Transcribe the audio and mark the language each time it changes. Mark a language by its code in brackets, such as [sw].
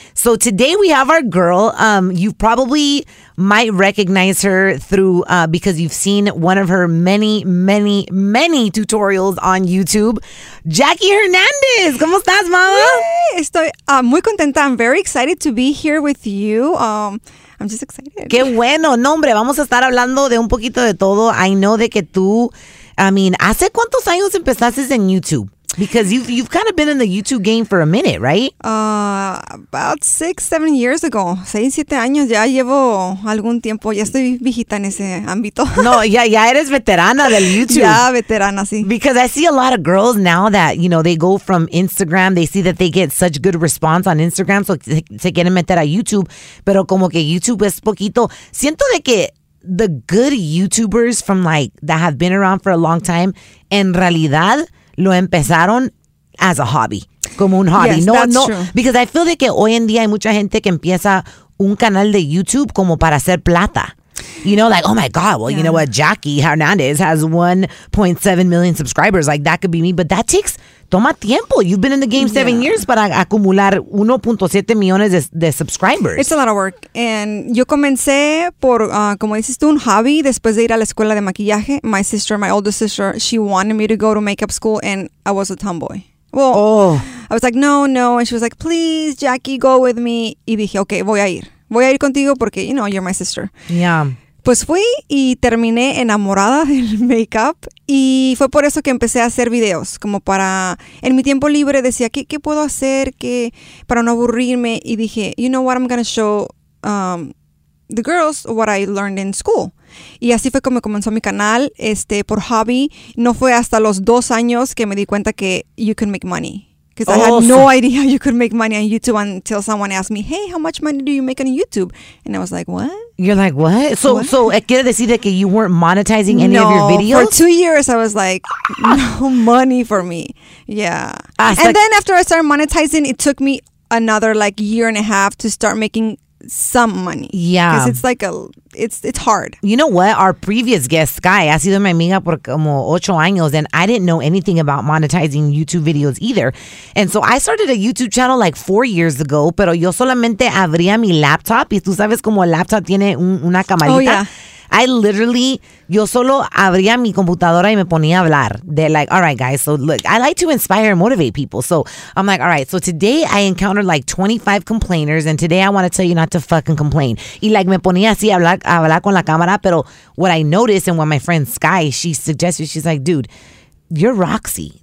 [en] So today we have our girl. You probably might recognize her through because you've seen one of her many, many, many tutorials on YouTube. [es] Jackie Hernandez. ¿Cómo estás, mama? Yay, estoy muy contenta. [en] I'm very excited to be here with you. I'm just excited. [es] Qué bueno. No, hombre, vamos a estar hablando de un poquito de todo. [en] I know [es] de que tú... [en] I mean, [es] ¿hace cuántos años empezaste en YouTube? [en] Because you've kind of been in the YouTube game for a minute, right? About 6-7 years ago. [es] 6-7 años. Ya llevo algún tiempo. Ya estoy viejita en ese ámbito. No, ya eres veterana del YouTube. Ya, veterana, sí. [en] Because I see a lot of girls now that, you know, they go from Instagram. They see that they get such good response on Instagram. [es] So, se quieren meter a YouTube. Pero como que YouTube es poquito. Siento de que... [en] The good YouTubers from like that have been around for a long time, [es] en realidad lo empezaron [en] as a hobby, [es] como un hobby. [en] Yes, no, that's no, true. Because I feel like [es] hoy en día hay mucha gente que empieza un canal de YouTube como para hacer plata. [en] You know, like, oh my God, well, yeah. You know what? Jackie Hernandez has 1.7 million subscribers. Like, that could be me. But that takes, [es] toma tiempo. [en] You've been in the game 7 years [es] para acumular 1.7 millones de subscribers. [en] It's a lot of work. And [es] yo comencé por, como dices tú, un hobby después de ir a la escuela de maquillaje. [en] My sister, my oldest sister, she wanted me to go to makeup school and I was a tomboy. Well, I was like, no. And she was like, please, Jackie, go with me. [es] Y dije, okay, voy a ir. Voy a ir contigo porque, [en] you know, you're my sister. Yeah. [es] Pues fui y terminé enamorada del makeup. Y fue por eso que empecé a hacer videos. Como para, en mi tiempo libre decía, ¿qué puedo hacer que para no aburrirme? Y dije, [en] you know what, I'm going to show the girls what I learned in school. [es] Y así fue como comenzó mi canal, por hobby. No fue hasta los 2 años que me di cuenta que [en] you can make money. Because I had no idea you could make money on YouTube until someone asked me, hey, how much money do you make on YouTube? And I was like, what? You're like, what? So, what? So, [es] quiere decir que [en] you weren't monetizing any of your videos? For 2 years, I was like, no money for me. Yeah. Then after I started monetizing, it took me another like year and a half to start making some money. Yeah. Because it's like it's hard. You know what? Our previous guest, Sky, [es] ha sido mi amiga por como 8 años, [en] and I didn't know anything about monetizing YouTube videos either. And so I started a YouTube channel like 4 years ago, [es] pero yo solamente abría mi laptop, y tú sabes como el laptop tiene una camarita. [en] Oh, yeah. I literally, [es] yo solo abría mi computadora y me ponía a hablar. [en] They're like, all right, guys, so look, I like to inspire and motivate people. So I'm like, all right, so today I encountered like 25 complainers, and today I want to tell you not to fucking complain. Y like [es] me ponía así a hablar con la cámara, [en] pero what I noticed and what my friend Sky, she suggested, she's like, dude, you're Roxy.